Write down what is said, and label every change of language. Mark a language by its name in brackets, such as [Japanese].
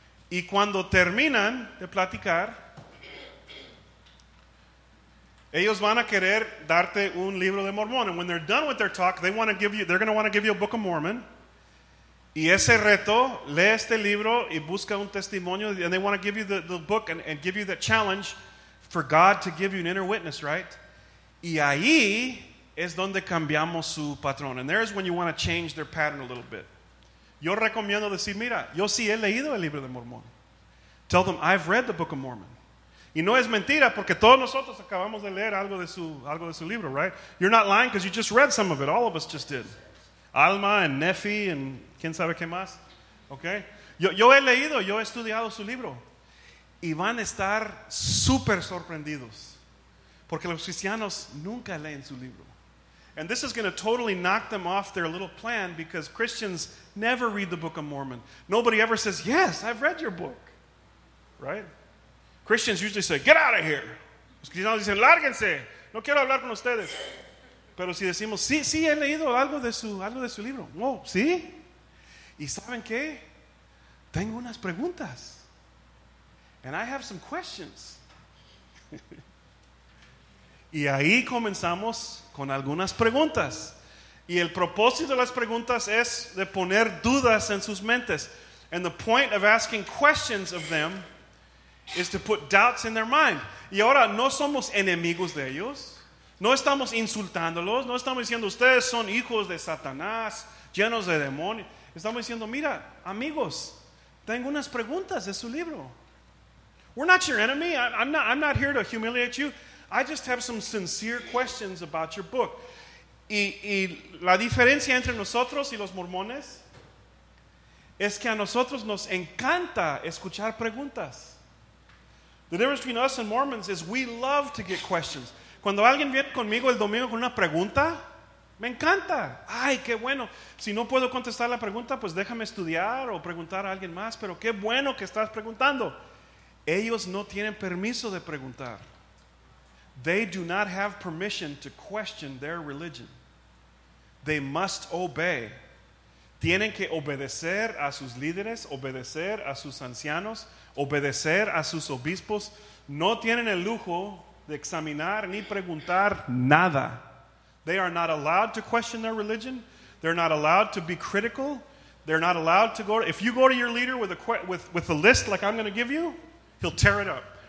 [Spanish] Y cuando terminan de platicar, ellos van a querer darte un libro de Mormón. [English] And when they're done with their talk, they're going to want to give you a Book of Mormon. [Spanish] Y ese reto, lee este libro y busca un testimonio. [English] And they want to give you the book and give you the challenge for God to give you an inner witness, right? [Spanish] Y ahí es donde cambiamos su patrón. [English] And there is when you want to change their pattern a little bit. [Spanish] Yo recomiendo decir, mira, yo sí he leído el libro de Mormón. [English] Tell them, I've read the Book of Mormon. [Spanish] Y no es mentira porque todos nosotros acabamos de leer algo de su libro, right? [English] You're not lying because you just read some of it. All of us just did. Alma and Nefi and [Spanish] quién sabe qué más. [English] Okay? [Spanish] Yo he leído, yo he estudiado su libro. Y van a estar súper sorprendidos. Porque los cristianos nunca leen su libro. [English] And this is going to totally knock them off their little plan because Christians never read the Book of Mormon. Nobody ever says, yes, I've read your book. Right? Christians usually say, get out of here. [Spanish] Los cristianos dicen, lárguense. No quiero hablar con ustedes. Pero si decimos, sí, sí, he leído algo de su libro. Oh, ¿sí? ¿Y saben qué? Tengo unas preguntas. [English] And I have some questions. [Spanish] Y ahí comenzamos con algunas preguntas. Y el propósito de las preguntas es de poner dudas en sus mentes. [English] And the point of asking questions of them is to put doubts in their mind. [Spanish] Y ahora no somos enemigos de ellos. No estamos insultándolos. No estamos diciendo, ustedes son hijos de Satanás, llenos de demonios. Estamos diciendo, mira, amigos, tengo unas preguntas de su libro. [English] We're not your enemy. I'm not here to humiliate you. I just have some sincere questions about your book. [Spanish] Y la diferencia entre nosotros y los mormones es que a nosotros nos encanta escuchar preguntas. [English] The difference between us and Mormons is we love to get questions. [Spanish] Cuando alguien viene conmigo el domingo con una pregunta, me encanta. Ay, qué bueno. Si no puedo contestar la pregunta, pues déjame estudiar o preguntar a alguien más. Pero qué bueno que estás preguntando. Ellos no tienen permiso de preguntar. [English] They do not have permission to question their religion. They must obey. [Spanish] Tienen que obedecer a sus líderes, obedecer a sus ancianos, obedecer a sus obispos. No tienen el lujo de examinar ni preguntar nada. [English] They are not allowed to question their religion. They're not allowed to be critical. They're not allowed to go. If you go to your leader with a list like I'm going to give you, he'll tear it up.